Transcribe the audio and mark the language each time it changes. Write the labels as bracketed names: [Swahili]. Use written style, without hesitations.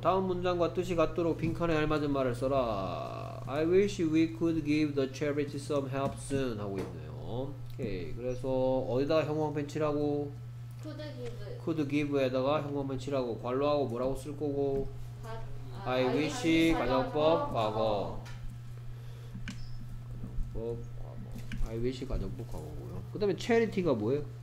[Korean] 다음 문장과 뜻이 같도록 빈칸에 알맞은 말을 써라. [English] I wish we could give the charity some help soon [Korean] 하고 있네요. 오케이. 그래서 어디다 형광펜 칠하고 [English] could give. [Korean] could give에다가 형광펜 칠하고 괄호하고 뭐라고 쓸 거고 I wish 가정법 과거. 가정법 과거. I wish 가정법 과거고요. 그 다음에 charity가 뭐예요?